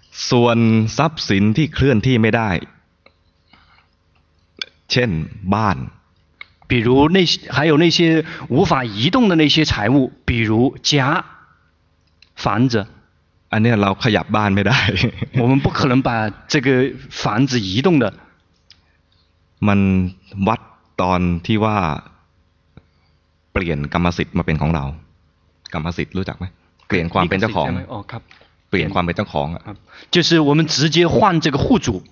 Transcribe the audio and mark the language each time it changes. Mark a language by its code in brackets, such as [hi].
[th] ส่วนทรัพย์สินที่เคลื่อนที่ไม่ได้เช่นบ้าน [zh] 比如那些还有那些无法移动的那些财物比如家房子 [th] อันนี้เราขยับบ้านไม่ได้ [zh] 我们不可能把这个房子移动的 [th] มันวัดตอนที่ว่าเปลี่ยนกรรมสิทธิ์มาเป็นของเรากรรมสิทธิ์รู้จักไหมเปลี่ยนความเป็นเจ้าของ อ๋อครับ เปลี่ยนความเป็นเจ้าของอ่ะ [zh] 就是我们直接换这个户主